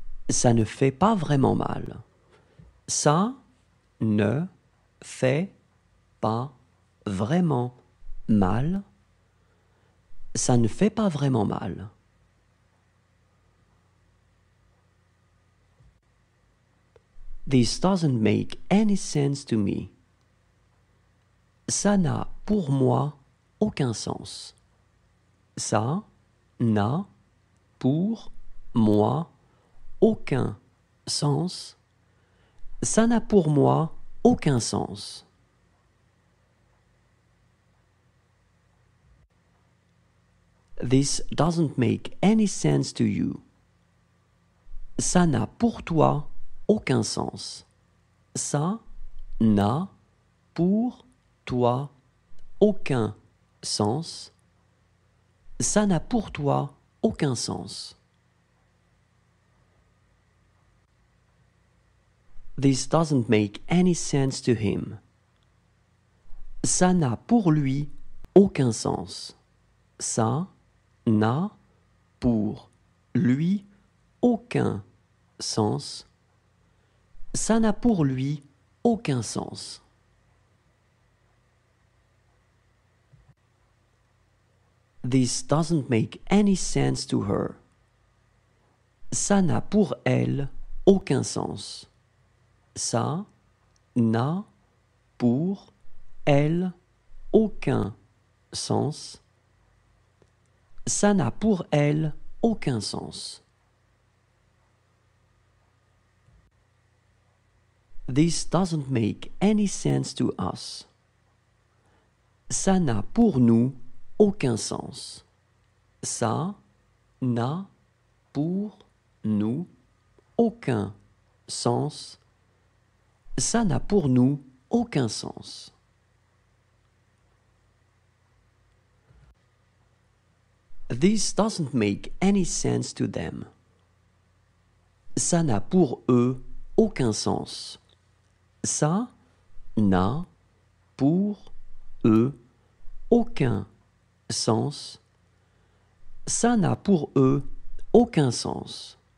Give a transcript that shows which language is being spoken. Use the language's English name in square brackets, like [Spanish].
[French] Ça ne fait pas vraiment mal. Ça ne fait pas vraiment mal. Ça ne fait pas vraiment mal. [English] This doesn't make any sense to me. [French] Ça n'a pour moi aucun sens. Ça n'a pour moi aucun sens. Ça n'a pour moi aucun sens. [English] This doesn't make any sense to you. [French] Ça n'a pour toi aucun sens. Ça n'a pour toi aucun sens. Ça n'a pour toi aucun sens. [English] This doesn't make any sense to him. [French] Ça n'a pour lui aucun sens. Ça n'a pour lui aucun sens. Ça n'a pour lui aucun sens. [English] This doesn't make any sense to her. [French] Ça n'a pour elle aucun sens. Ça n'a pour elle aucun sens. Ça n'a pour elle aucun sens. [English] This doesn't make any sense to us. [French] Ça n'a pour nous aucun sens. Ça n'a pour nous aucun sens. Ça n'a pour nous aucun sens. [English] This doesn't make any sense to them. [French] Ça n'a pour eux aucun sens. Ça n'a pour eux aucun sens. Ça n'a pour eux aucun sens.